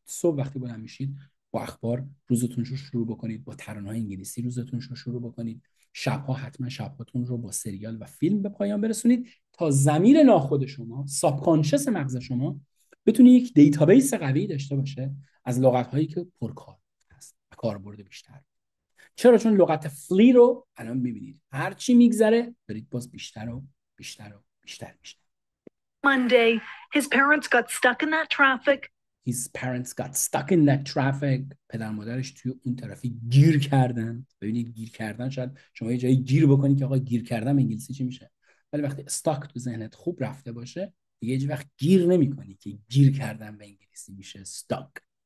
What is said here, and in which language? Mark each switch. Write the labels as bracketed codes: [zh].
[fa] صبح وقتی بلند میشید با اخبار روزتون رو شروع بکنید، با ترانه‌های انگلیسی روزتون رو شروع بکنید، شبها حتما شبهاتون رو با سریال و فیلم به پایان برسونید تا ضمیر ناخود شما، سابکانشس مغز شما بتونه یک دیتابیس قوی داشته باشه از لغت‌هایی که پرکار هست و کاربرد بیشتر. چرا؟ چون لغت فلی رو الان می‌بینید هر چی می‌گذره برید باز بیشتر و بیشتر و بیشتر میشه. [en] Monday his parents got stuck in that traffic. His parents got stuck in that traffic. [fa] پدر مادرش توی اون ترافیک گیر کردن. ببینید گیر کردن، شاید شما یه جایی گیر بکنید که آقا گیر کردم انگلیسی چی میشه، ولی وقتی stuck تو ذهنت خوب رفته باشه یه جایی وقت گیر نمی کنی که گیر کردن به انگلیسی میشه stuck.